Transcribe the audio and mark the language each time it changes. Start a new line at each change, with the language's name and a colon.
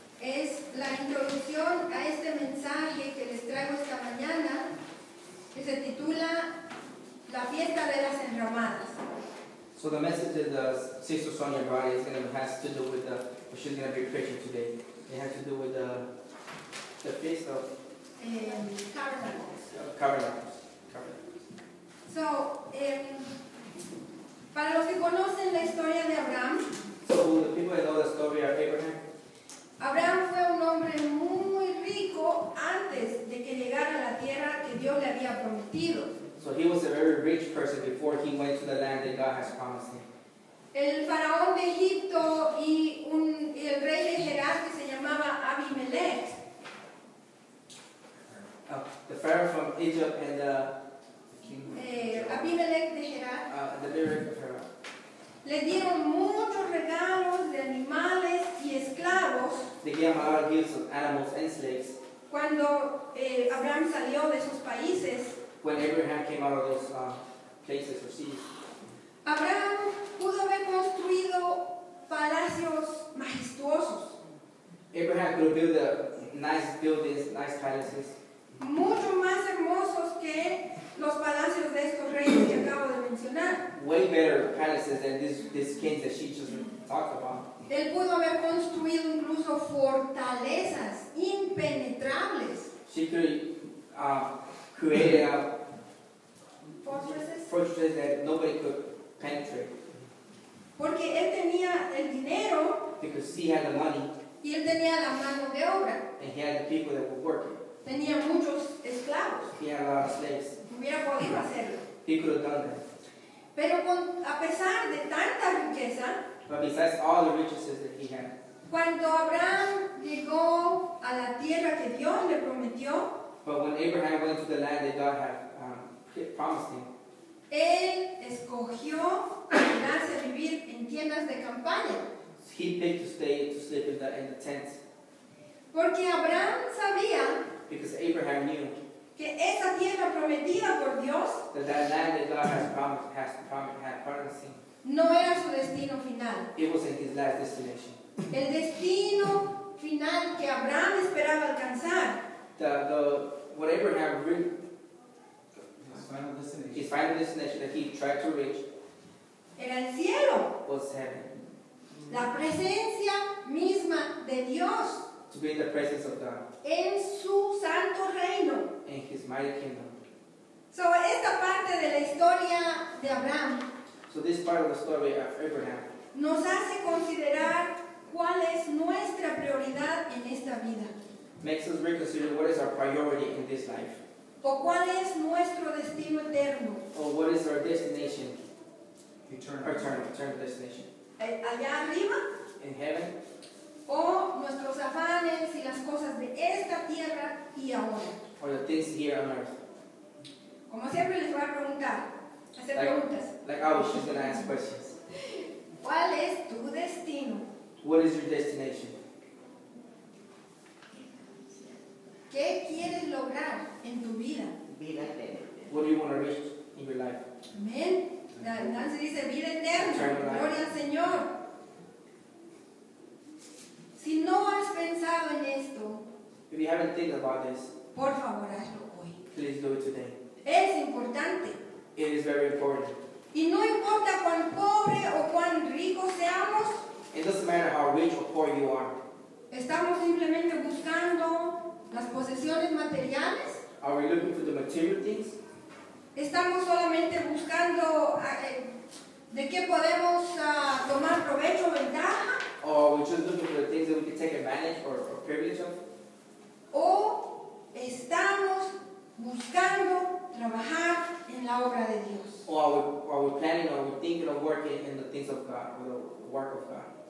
Spanish: Es la introducción a este mensaje que les traigo esta mañana, que se titula La fiesta de las enramadas.
English: So the message that Sister Sonia brought is going to have to do with the, she's going to be preaching today. It has to do with the feast of Tabernacles.
Spanish: So, para los que conocen la historia de Abraham.
English: So, the people that know the story of Abraham.
Spanish: Abraham fue un hombre muy rico antes de que llegara a la tierra que Dios le había prometido.
English: So he was a very rich person before he went to the land that God has promised him.
Spanish: El faraón de Egipto y el rey de Gerar que se llamaba Abimelech.
English: The pharaoh from Egypt and the king.
Spanish: Abimelech de Gerar.
English: The leader of the pharaoh.
Spanish: Le dieron muchos regalos de animales y esclavos.
English: They gave him a lot of gifts of animals and slaves.
Spanish: Cuando Abraham salió de sus países.
English: When Abraham came out of those places or cities.
Spanish: Abraham pudo haber construido palacios majestuosos.
English: Abraham could build nice buildings, nice palaces.
Spanish: Mucho más hermosos que los palacios de estos reyes que acabo de mencionar.
English: Way better palaces than these kings that she just talked about.
Spanish: Él pudo haber construido incluso fortalezas impenetrables.
English: She could create a fortresses that nobody could penetrate.
Spanish: Porque él tenía el dinero.
English: Because he had the money.
Spanish: Y él tenía la mano de obra.
English: And he had the people that would work.
Spanish: Tenía muchos esclavos.
English: He had a lot of slaves.
Spanish: Hubiera podido hacerlo.
English: He could have done that.
Spanish: Pero a pesar de tanta riqueza.
English: But besides all the riches that he had.
Spanish: Cuando Abraham llegó a la tierra que Dios le prometió.
English: But when Abraham went to the land that God had promised him.
Spanish: Él escogió quedarse a vivir en tiendas de campaña.
English: He picked to sleep in the tents.
Spanish: Porque Abraham sabía.
English: Because Abraham knew.
Spanish: Que esa tierra prometida por Dios.
English: That land that God has promised him.
Spanish: No era su destino final.
English: It wasn't his last destination.
Spanish: El destino final que Abraham esperaba alcanzar.
English: What Abraham reached. His final destination that he tried to reach.
Spanish: Era el cielo.
English: Was heaven.
Spanish: La presencia misma de Dios.
English: To be in the presence of God.
Spanish: En su santo reino.
English: In his mighty kingdom.
Spanish: So esta parte de la historia de Abraham.
English: So this part of the story of Abraham.
Spanish: Nos hace considerar cuál es nuestra prioridad en esta vida.
English: Makes us reconsider what is our priority in this life.
Spanish: ¿O cuál es nuestro destino eterno?
English: Or what is our destination? Eternal destination.
Spanish: Allá arriba.
English: In heaven.
Spanish: O nuestros afanes y las cosas de esta tierra y ahora.
English: Or the things here on earth.
Spanish: Como siempre les voy a preguntar, hacer preguntas.
English: Like always, she's going to ask questions.
Spanish: ¿Cuál es tu destino?
English: What is your destination?
Spanish: ¿Qué quieres lograr en tu vida? Vida eterna.
English: What do you want to reach in your life?
Spanish: Amen. Nancy dice vida eterna. Gloria al Señor. Si no has pensado en esto,
English: if you haven't thought about this,
Spanish: por favor hazlo hoy.
English: Please do it today.
Spanish: Es importante.
English: It is very important.
Spanish: Y no importa cuán pobre o cuán rico seamos.
English: It doesn't matter how rich or poor you are.
Spanish: Estamos simplemente buscando las posesiones materiales.
English: Are we looking for the material things?
Spanish: Estamos solamente buscando de qué podemos tomar provecho, ventaja.
English: Or are we just looking for the things that we can take advantage or privilege of?
Spanish: O estamos buscando trabajar en la obra de Dios.
English: Or are we planning or are we thinking of working in the things of God, or the work of God?